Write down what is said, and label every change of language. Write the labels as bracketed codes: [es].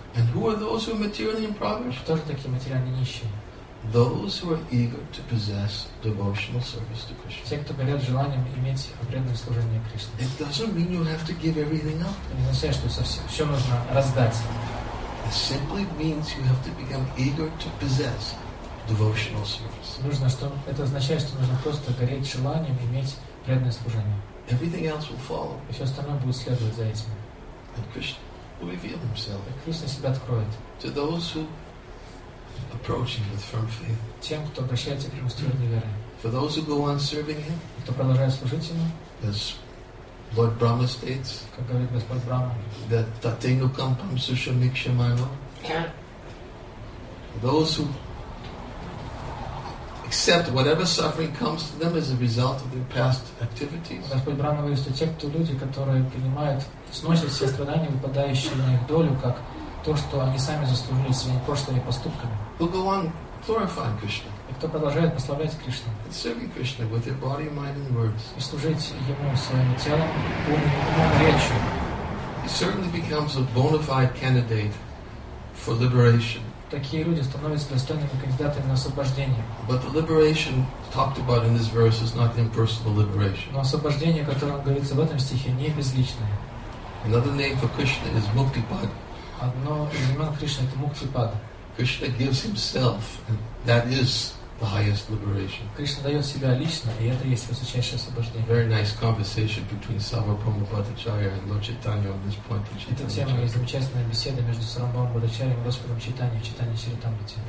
[en] And who are those who are materially impoverished? [ru] Кто же такие материально нищие? [en] Those who are eager to possess devotional service to Krishna. [ru] Те, кто горят желанием иметь преданное служение Кришне. [en] It doesn't mean you have to give everything up. [ru] Не означает, что все нужно раздать. [en] It simply means you have to become eager to possess devotional service. [ru] Нужно, что это означает, что нужно просто гореть желанием иметь преданное служение. [en] Everything else will follow. [ru] И все остальное будет следовать за этим. [en] And Krishna will reveal himself. [ru] И Кришна себя откроет. [en] To those who approaching with firm faith. [ru] Тем, кто обращается прямо с твердой верой. [en] For those who go on serving him. [ru] Кто продолжает служить ему. [en] As Lord Brahma states. [ru] Как говорит Господь Брахма. [sa] That tatengu kampam sushamikshamayo. [en] Those who accept whatever suffering comes to them as a result of their past activities. [ru] Господь Брахма говорит, что те, кто люди, которые принимают, сносят все страдания, выпадающие на их долю, как то, что они сами заслужили своими прошлыми поступками. [en] Will go on glorifying Krishna. [ru] И кто продолжает прославлять Кришну. [en] And serving Krishna with their body, mind, and words. [ru] И служить ему своим телом, умом, речью. [en] He certainly becomes a bona fide candidate for liberation. [ru] Такие люди становятся достойными кандидатами на освобождение. [en] But the liberation talked about in this verse is not impersonal liberation. [ru] Но освобождение, о котором говорится в этом стихе, не безличное. [en] Another name for Krishna is Muktipad. [ru] Одно из имен Кришны — это Муктипад. [en] Krishna gives himself, and that is the highest liberation. [ru] Кришна дает себя лично, и это есть высочайшее освобождение. [en] Very nice conversation between Sarvabhauma Bhattacharya and Lord Chaitanya on this point. [ru] Эта тема есть замечательная беседа между Сарвабхаумом Бхаттачарьей и Господом Чайтаньей в Чайтанье Чаритамрите.